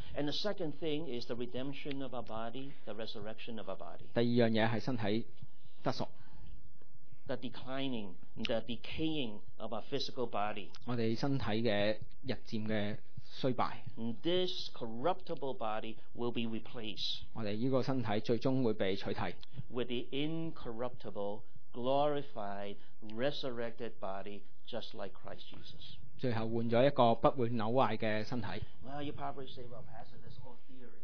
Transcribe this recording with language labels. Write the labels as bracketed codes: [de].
[en] And the second thing is the redemption of our body, the resurrection of our body. [zh] 第二样东西是身体得赎。 [en] The declining, the decaying of our physical body. [zh] 我们身体的日渐的衰败。 [en] This corruptible body will be replaced. [zh] 我们这个身体最终会被取替。 [en] With the incorruptible, glorified, resurrected body, just like Christ Jesus. [zh] 最后换了一个不会朽坏的身体。 [en] Well, you probably say, well, Pastor, that's all theory.